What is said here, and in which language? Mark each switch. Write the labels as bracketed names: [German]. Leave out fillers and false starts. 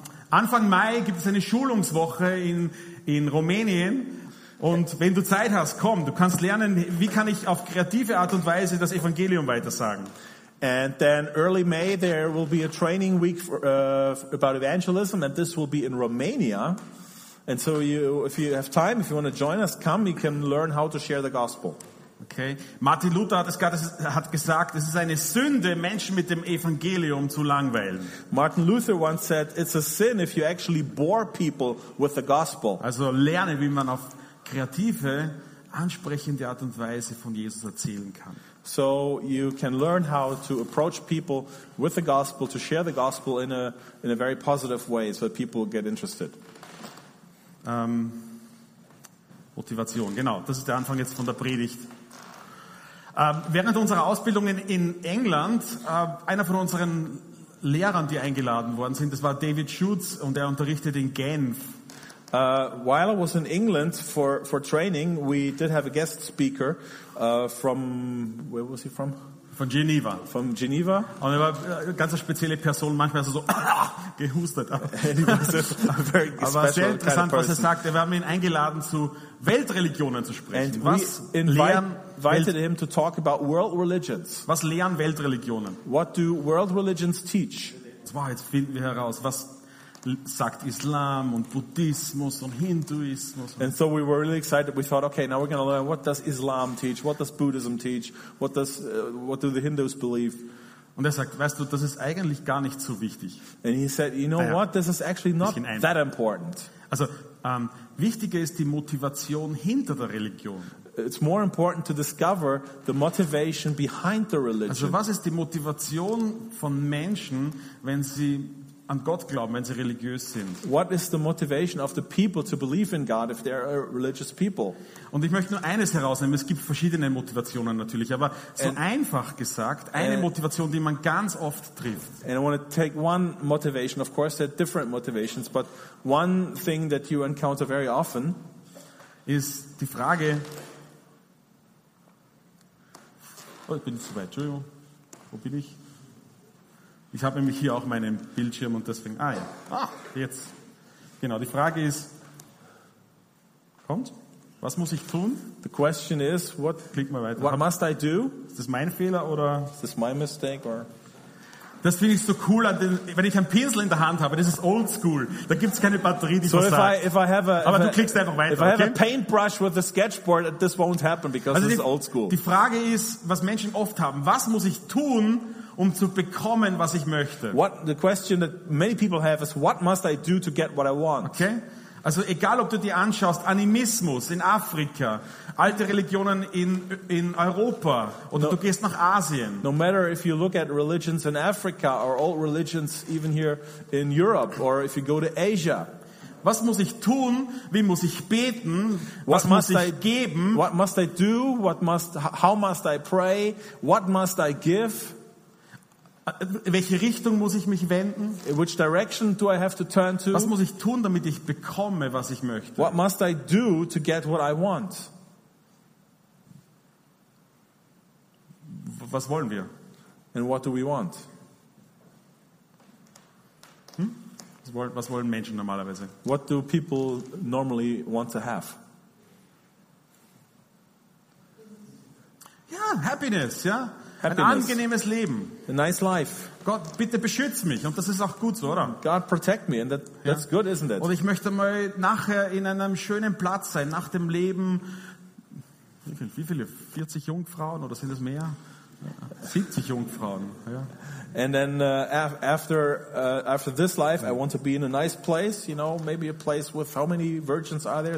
[German] Anfang Mai gibt es eine Schulungswoche in Rumänien. Und wenn du Zeit hast, komm, du kannst lernen, wie kann ich auf kreative Art und Weise das Evangelium weitersagen. [English] And then early May there will be a training week about evangelism, and this will be in Romania. And so you, if you have time, if you want to join us, come, you can learn how to share the gospel. Okay. [German] Martin Luther hat gesagt, es ist eine Sünde, Menschen mit dem Evangelium zu langweilen. [English] Martin Luther once said, it's a sin if you actually bore people with the gospel. [German] Also lerne, wie man auf kreative, ansprechende Art und Weise von Jesus erzählen kann. [English] So you can learn how to approach people with the gospel, to share the gospel in a very positive way, so that people get interested. [German] Motivation, genau. Das ist der Anfang jetzt von der Predigt. Während unserer Ausbildung in England, einer von unseren Lehrern, die eingeladen worden sind, das war David Schutz und er unterrichtet in Genf. [English] While I was in England for training, we did have a guest speaker from, where was he from? [German] Von Geneva. [English] From Geneva. [German] Und er war eine ganz spezielle Person, manchmal so gehustet. Aber sehr interessant, was er sagt. Wir haben ihn eingeladen, zu Weltreligionen zu sprechen. [English] And was invited him to talk about world religions. [German] Was lehren Weltreligionen? [English] What do world religions teach? [German] Jetzt finden wir heraus, was sagt Islam und Buddhismus und Hinduismus. [English] And so we were really excited. We thought, okay, now we're going to learn, what does Islam teach? What does Buddhism teach? What do the Hindus believe? [German] Und er sagt, weißt du, das ist eigentlich gar nicht so wichtig. [English] And he said, you know what? This is actually not that important. [German] Also, wichtiger ist die Motivation hinter der Religion. [English] It's more important to discover the motivation behind the religion. [German] Also, was ist die Motivation von Menschen, wenn sie an Gott glauben, wenn sie religiös sind? [English] What is the motivation of the people to believe in God if they are a religious people? [German] Und ich möchte nur eines herausnehmen. Es gibt verschiedene Motivationen natürlich, aber so einfach gesagt, eine Motivation, die man ganz oft trifft. [English] And I want to take one motivation. Of course, there are different motivations, but one thing that you encounter very often [German] ist die Frage. Oh, ich bin zu weit. Entschuldigung. Wo bin ich? Ich habe nämlich hier auch meinen Bildschirm und deswegen. Ah ja. Ah, jetzt. Genau, die Frage ist. Kommt. Was muss ich tun? [English] The question is, what, [German] klick mal weiter. [English] What must I do? [German] Ist das mein Fehler oder? [English] Is this my mistake or? [German] Das finde ich so cool, wenn ich einen Pinsel in der Hand habe. Das ist old school. Da gibt es keine Batterie, die so versagt. Aber du klickst einfach weiter. [English] If I have a paintbrush with a sketchboard, this won't happen because [German] also [English] it's old school. [German] Die Frage ist, was Menschen oft haben. Was muss ich tun, um zu bekommen, was ich möchte? [English] What the question that many people have is, what must I do to get what I want? Okay. [German] Also egal, ob du dir anschaust, Animismus in Afrika, alte Religionen in Europa oder du gehst nach Asien. [English] No matter if you look at religions in Africa or old religions even here in Europe or if you go to Asia. [German] Was muss ich tun? Wie muss ich beten? Was muss ich geben? [English] What must I do? How must I pray? What must I give? [German] In welche Richtung muss ich mich wenden? [English] In which direction do I have to turn to? [German] Was muss ich tun, damit ich bekomme, was ich möchte? [English] What must I do to get what I want? [German] Was wollen wir? [English] And what do we want? [German] Was wollen Menschen normalerweise? [English] What do people normally want to have? [German] Ja, happiness, ja. Happiness. Ein angenehmes Leben. [English] A nice life. [German] Gott, bitte beschütz mich. Und das ist auch gut so, oder? [English] God protect me. And that's good, isn't it? [German] Und ich möchte mal nachher in einem schönen Platz sein, nach dem Leben. Wie viele? 40 Jungfrauen oder sind es mehr? 70 Jungfrauen. Ja. [English] And then after this life, I want to be in a nice place, you know, maybe a place with how many virgins are there?